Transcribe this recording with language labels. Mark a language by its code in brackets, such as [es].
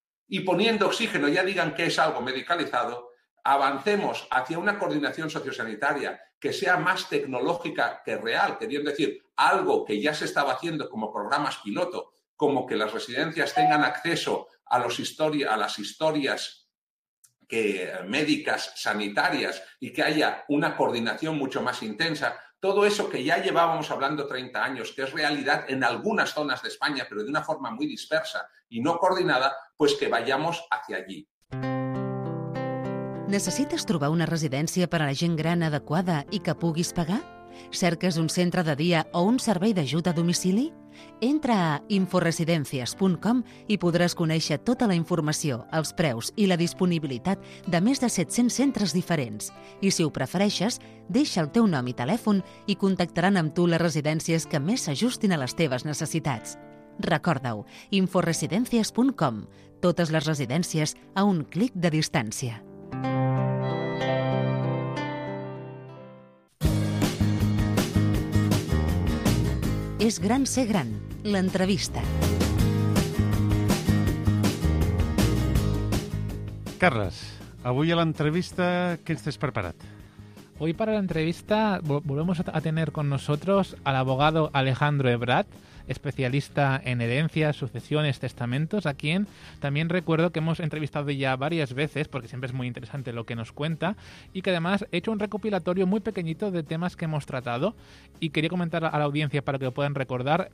[es] Y poniendo oxígeno ya digan que es algo medicalizado, avancemos hacia una coordinación sociosanitaria que sea más tecnológica que real, queriendo decir, algo que ya se estaba haciendo como programas piloto, como que las residencias tengan acceso a los a las historias que, médicas, sanitarias, y que haya una coordinación mucho más intensa. Todo eso que ya llevábamos hablando 30 años, que es realidad en algunas zonas de España, pero de una forma muy dispersa y no coordinada, pues que vayamos hacia allí. [ca] Necessites trobar una residència per a la gent gran adequada i que puguis pagar? Cerques un centre de dia o un servei d'ajut a domicili? Entra a inforesidencias.com i podràs conèixer tota la informació, els preus i la disponibilitat de més de 700 centres diferents. I si ho prefereixes, deixa el teu nom i telèfon i contactaran amb tu les residències que més s'ajustin a les teves necessitats. Recorda-ho, inforesidencias.com. Totes les residències a un clic de distància. És gran ser gran, l'entrevista. Carles, avui a l'entrevista, què ens tens preparat? [es] Hoy para la entrevista volvemos a tener con nosotros al abogado Alejandro Ebrard, especialista en herencias, sucesiones, testamentos, a quien también recuerdo que hemos entrevistado ya varias veces, porque siempre es muy interesante lo que nos cuenta, y que además he hecho un recopilatorio muy pequeñito de temas que hemos tratado y quería comentar a la audiencia para que lo puedan recordar.